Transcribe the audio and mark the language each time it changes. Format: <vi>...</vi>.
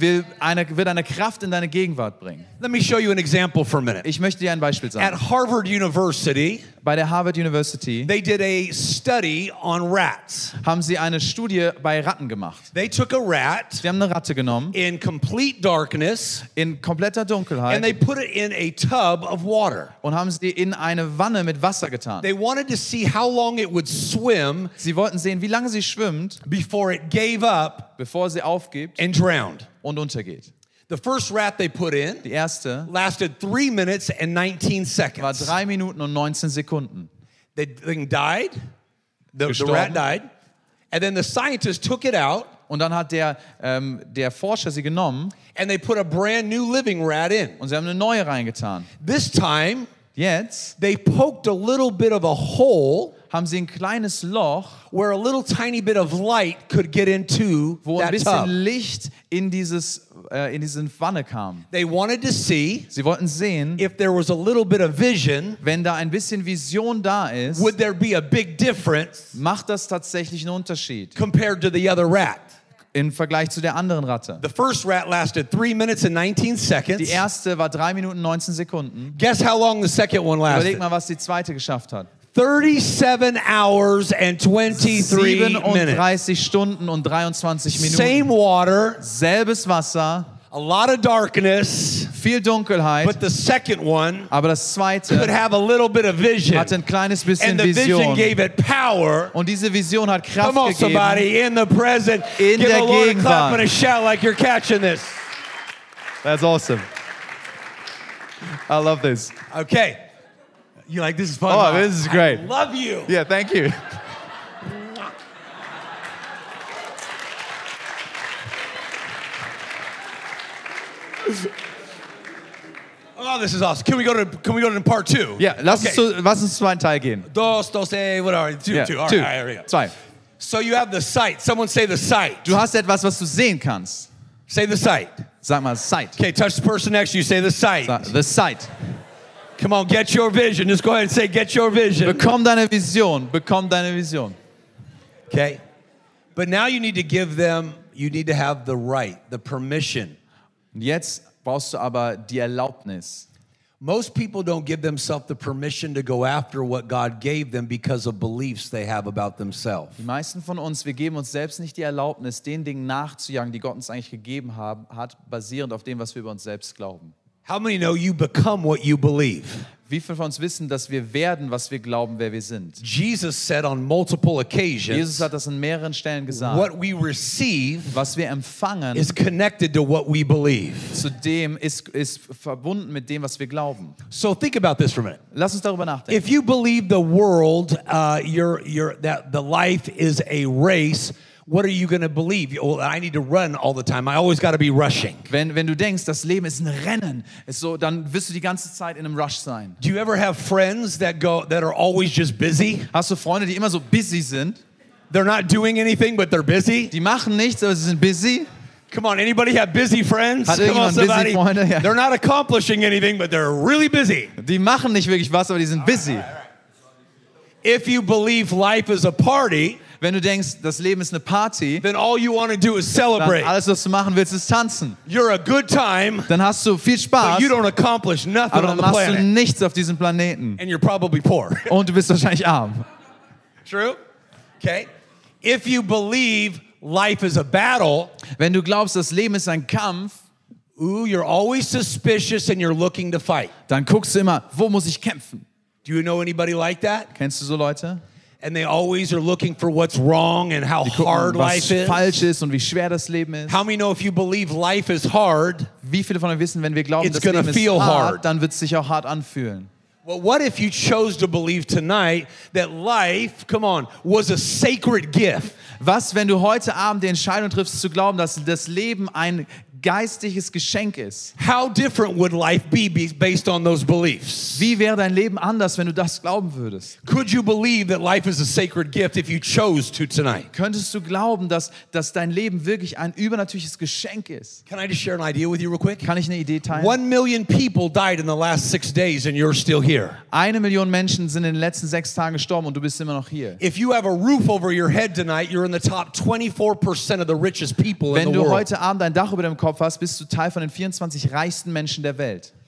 <de>Wird eine Kraft in deine Gegenwart bringen.</de> <en>Let me show you an example for a minute.</en> <de>Ich möchte dir ein Beispiel sagen.</de> <en>At Harvard University,</en> <de>bei der Harvard University,</de> <en>they did a study on rats.</en> <de>Haben sie eine Studie bei Ratten gemacht.</de> <en>They took a rat.</en> <de>Sie haben eine Ratte genommen.</de> <en>In complete darkness,</en> <de>in kompletter Dunkelheit.</de> <en>And they put it in a tub of water.</en> <de>Und haben sie in eine Wanne mit Wasser getan.</de> <en>They wanted to see how long it would swim.</en> <de>Sie wollten sehen, wie lange sie schwimmt,</de> <en>before it gave up,</en> <de>bevor sie aufgibt,</de> <en>and drowned.</en> <de>Und untergeht.</de> <en>The first rat they put in,</en> <de>die erste,</de> <en>lasted 3 minutes and 19 seconds.</en> <de>War 3 Minuten und 19 Sekunden.</de> <en>The thing died. The rat died. And then the scientist took it out.</en> <de>Und dann hat der Forscher sie genommen.</de> <en>And they put a brand new living rat in.</en> <de>Und sie haben eine neue reingetan.</de> <en>This time,</en> <de>jetzt,</de> <en>they poked a little bit of a hole.</en> <de>Haben sie ein kleines Loch,</de> <en>where a little tiny bit of light could get into,</en> <de>wo ein bisschen Licht in diesen Wanne kam.</de> <en>They wanted to see,</en> <de>sie wollten sehen,</de> <en>if there was a little bit of vision,</en> <de>wenn da ein bisschen Vision da ist,</de> <en>would there be a big difference,</en> <de>macht das tatsächlich einen Unterschied,</de> <en>compared to the other rat.</en> <de>Im Vergleich zu der anderen Ratte.</de> <en>The first rat lasted 3 minutes and 19 seconds.</en> <de>Die erste war 3 Minuten 19 Sekunden.</de> <en>Guess how long the second one lasted.</en> <de>Überleg mal, was die zweite geschafft hat.</de> <en>37 hours and 23 minutes.</en> <de>37 Stunden und 23 Minuten.</de> <en>Same water.</en> <de>Selbes Wasser.</de> <en>A lot of darkness.</en> <de>Viel Dunkelheit.</de> <en>But the second one,</en> <de>aber das zweite,</de> <en>could have a little bit of vision.</en> <de>Hatte ein kleines bisschen</de> <en>and the</en> <de>Vision.</de> <en>Vision gave it power.</en> <de>Und diese Vision hat Kraft gegeben.</de> <en>Come on, somebody in the present.</en> <de>In</de> <en>give</en> <de>der</de> <en>the Lord</en> <de>Gegenwart.</de> <en>A clap and a shout like you're catching this. That's awesome. I love this. Okay. You like this is fun. Oh, huh? This is great. I love you. Yeah, thank you. Oh, this is awesome. Can we go to part two?</en> <de>Yeah, lass uns zweiten Teil gehen.</de> <es>Dos, dos,</es> <en>hey, what are you? Two, yeah, two. All two. Right, here we go.</en> <de>Zwei.</de> <en>So you have the sight. Someone say the sight.</en> <de>Du hast etwas, was du sehen kannst.</de> <en>Say the sight.</en> <de>Sag mal sight.</de> <en>Okay, touch the person next to you. Say the sight. The sight. Come on, get your vision. Just go ahead and say, get your vision.</en> <de>Bekomm deine Vision. Bekomm deine Vision.</de> <en>Okay. But now you need to give them, you need to have the right, the permission.</en> <de>Jetzt brauchst du aber die Erlaubnis.</de> <en>Most people don't give themselves the permission to go after what God gave them because of beliefs they have about themselves.</en> <de>Die meisten von uns, wir geben uns selbst nicht die Erlaubnis, den Dingen nachzujagen, die Gott uns eigentlich gegeben hat, basierend auf dem, was wir über uns selbst glauben.</de> <en>How many know you become what you believe?</en> <de>Wie viele von uns wissen, dass wir werden, was wir glauben, wer wir sind?</de> <en>Jesus said on multiple occasions.</en> <de>Jesus hat das an mehreren Stellen gesagt.</de> <en>What we receive,</en> <de>was wir empfangen,</de> <en>is connected to what we believe.</en> <de>Zudem ist verbunden mit dem, was wir glauben.</de> <en>So think about this for a minute.</en> <de>Lass uns darüber nachdenken.</de> <en>If you believe the world, that the life is a race, what are you going to believe? Well, I need to run all the time. I always got to be rushing.</en> <de>Wenn du denkst, das Leben ist ein Rennen, so dann wirst du die ganze Zeit in einem Rush sein.</de> <en>Do you ever have friends that are always just busy?</en> <de>Hast du Freunde, die immer so busy sind?</de> <en>They're not doing anything, but they're busy.</en> <de>Die machen nichts, aber sie sind busy.</de> <en>Come on, anybody have busy friends?</en> <de>Hat irgendjemand</de> <en>Come on,</en> <de>busy Freunde? Yeah.</de> <en>They're not accomplishing anything, but they're really busy.</en> <de>Die machen nicht wirklich was, aber die sind busy.</de> <en>All right. If you believe life is a party,</en> <de>wenn du denkst, das Leben ist eine Party,</de> <en>then all you want to do is celebrate.</en> <de>Alles, was du machen willst, ist tanzen.</de> <en>You're a good time,</en> <de>dann hast du viel Spaß,</de> <en>but you don't accomplish nothing</en> <de>aber dann</de> <en>on the</en> <de>machst</de> <en>planet.</en> <de>Du nichts auf diesem Planeten.</de> <en>And you're probably poor.</en> <de>Und du bist wahrscheinlich arm.</de> <en>True? Okay. If you believe life is a battle,</en> <de>wenn du glaubst, das Leben ist ein Kampf,</de> <en>ooh, you're always suspicious and you're looking to fight.</en> <de>Dann guckst du immer, wo muss ich kämpfen?</de> <en>Do you know anybody like that?</en> <de>Kennst du so Leute?</de> <en>And they always are looking for what's wrong and how</en> <de>gucken,</de> <en>hard life is.</en> <de>Was falsch ist und wie schwer das Leben ist.</de> <en>How many know if you believe life is hard?</en> <de>Wie viele von euch wissen, wenn wir glauben,</de> <en>it's</en> <de>das Leben</de> <en>feel</en> <de>ist hard,</de> <en>hard,</en> <de>dann wird es sich auch hart anfühlen.</de> <en>Well, what if you chose to believe tonight that life, come on, was a sacred gift?</en> <de>Was, wenn du heute Abend die Entscheidung triffst, zu glauben, dass das Leben ein geistiges Geschenk ist?</de> <en>How different would life be based on those beliefs?</en> <de>Wie wäre dein Leben anders, wenn du das glauben würdest?</de> <en>Could you believe that life is a sacred gift if you chose to tonight?</en> <de>Könntest du glauben, dass dein Leben wirklich ein übernatürliches Geschenk ist?</de> <en>Can I just share an idea with you real quick?</en> <de>Kann ich eine Idee teilen?</de> <en>1 million people died in the last 6 days and you're still here. here.</en> <de>1 Million Menschen sind in den letzten 6 Tagen gestorben und du bist immer noch hier.</de> <en>If you have a roof over your head tonight, you're in the top 24% of the richest people in the</en> <de>Wenn du heute Abend ein Dach über dem Kopf hast, bist du Teil von den 24 reichsten Menschen der Welt.</de>